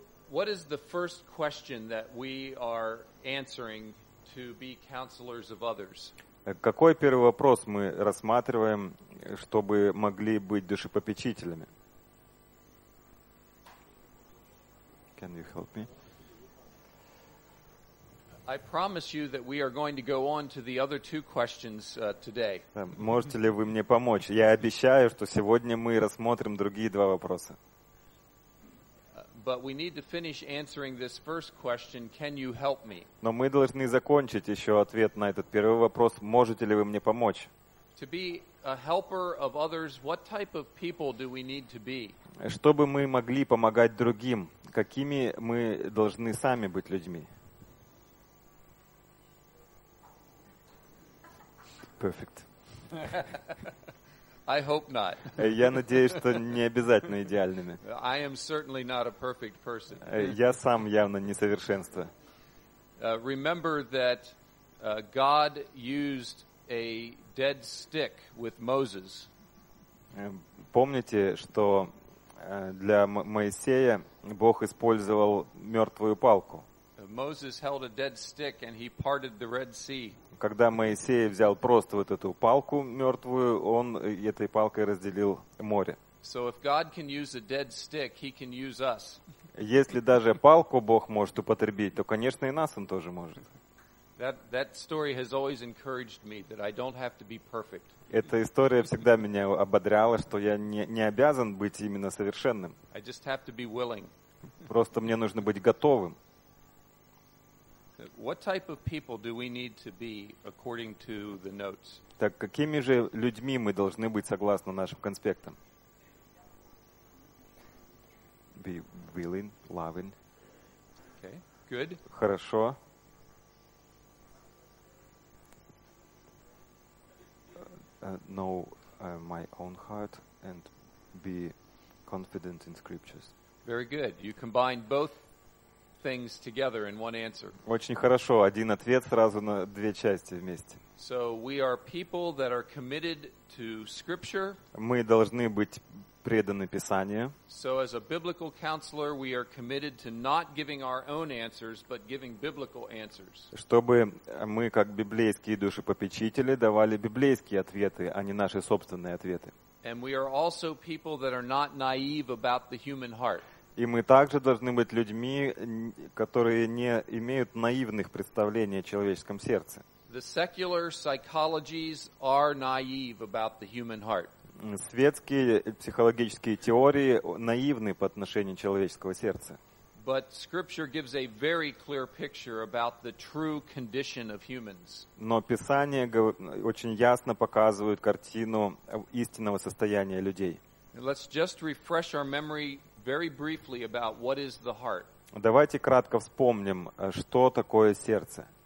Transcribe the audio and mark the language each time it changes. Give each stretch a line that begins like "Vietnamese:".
English: What is the first question that we are answering to be counselors of others?
Russian: Какой первый вопрос мы рассматриваем, чтобы могли быть душепопечителями?
English: Can you help me? I promise you that we are going to go on to the other two questions today.
Russian: Можете ли вы мне помочь? Я обещаю, что сегодня мы рассмотрим другие два вопроса.
English: But we need to finish answering this first question, can you help me?
Russian: Но мы должны закончить еще ответ на этот первый вопрос, можете ли вы мне помочь?
English: To be a helper of others, what type of people do we need to be?
Russian: Чтобы мы могли помогать другим, какими мы должны сами быть людьми?
English: Perfect. I hope not.
Russian: Я надеюсь, что не обязательно идеальными.
English: I am certainly not a perfect person.
Russian: Я сам явно несовершенство.
English: Remember that God used a dead stick with Moses.
Russian: Помните, что для Моисея Бог использовал мертвую палку.
English: Moses held a dead stick and he parted the Red Sea.
Russian: Когда Моисей взял просто вот эту палку мертвую, он этой палкой разделил море.
English: So if God can use a dead stick, he can use us.
Russian: Если даже палку Бог может употребить, то, конечно, и нас он тоже может.
English: That story has always encouraged me that I don't have to be perfect.
Russian: Эта история всегда меня ободряла, что я не обязан быть именно совершенным.
English: I just have to be willing.
Russian: Просто мне нужно быть готовым.
English: What type of people do we need to be according to the notes?
Russian: Так какими же людьми мы должны быть согласно нашим конспектам?
English: Be willing, loving. Okay. Good.
Russian: Хорошо.
English: Know my own heart and be confident in scriptures. Very good. You combine both things together in one answer.
Russian: Очень хорошо, один ответ сразу на две части вместе.
English: So we are people that are committed to scripture.
Russian: Мы должны быть преданы Писанию.
English: So as a biblical counselor, we are committed to not giving our own answers, but giving biblical answers.
Russian: Чтобы мы как библейские душепопечители давали библейские ответы, а не наши собственные ответы.
English: And we are also people that are not naive about the human heart.
Russian: И мы также должны быть людьми, которые не имеют наивных представлений о человеческом сердце.
English: The secular psychologies are naive about the human heart.
Russian: светские психологические теории наивны по отношению человеческого сердца.
English: But Scripture gives a very clear picture about the true condition of humans.
Russian: Но Писание очень ясно показывает картину истинного состояния людей.
English: Let's just refresh our memory very briefly about what is the heart.
Russian: Давайте кратко вспомним, что такое сердце.